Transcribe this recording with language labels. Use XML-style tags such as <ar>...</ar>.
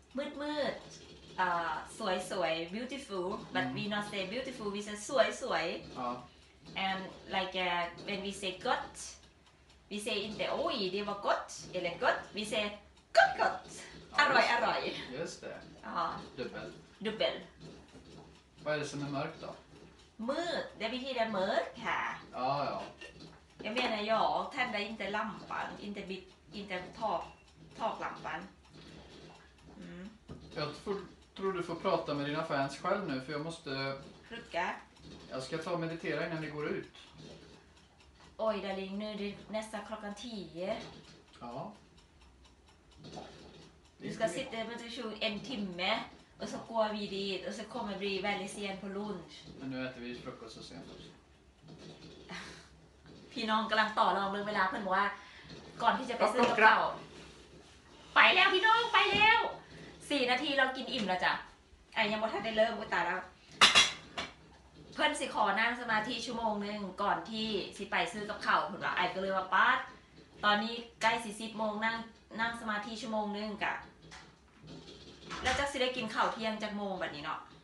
<th>ดมืดสวยสวย</th> <en>beautiful but we not say beautiful we say</en> <th>สวยสวย</th> <en>and like when we say good we say in the oh it was good it was good we say good good</en> <th>อร่อยอร่อย</th> <en>yes there</en> <sv>dubbel dubbel vad är det som är mörkt då มืด det betyder det är mörkt ค่ะ อ๋อ jag menar jag tända inte lampan inte bit inte taklampan Jag tror du får prata med dina fans själv nu för jag måste rucka. Jag ska ta och meditera innan ni går ut. Oj, darling, nu är det nästa klockan 10. Ja. Du ska sitta med dig själv en timme och så går vi dit och så kommer vi väldigt sen på lunch. Men nu äter vi frukost så sent också.</sv> <tts>Pinong กําลังต่อรองเรื่องเวลาเพิ่นบอกว่าก่อนที่จะไปซื้อกระเป๋าไปแล้วพี่น้องไปแล้ว4นาทีเรากินอิ่มแล้วจ้ะไอ้ยังบ่ทันได้เริ่มอุ๊ยตายแล้วเพิ่นสิขอนั่งสมาธิชั่วโมงนึงก่อนที่สิไปซื้อกับข้าวเพิ่นว่าไอ้ก็เลยว่าป๊าดตอนนี้ใกล้สิ10โมงนั่งสมาธิชั่วโมงนึงกะแล้วจักสิได้กินข้าวเที่ยงจักโมงบัดนี้เนาะ</tts>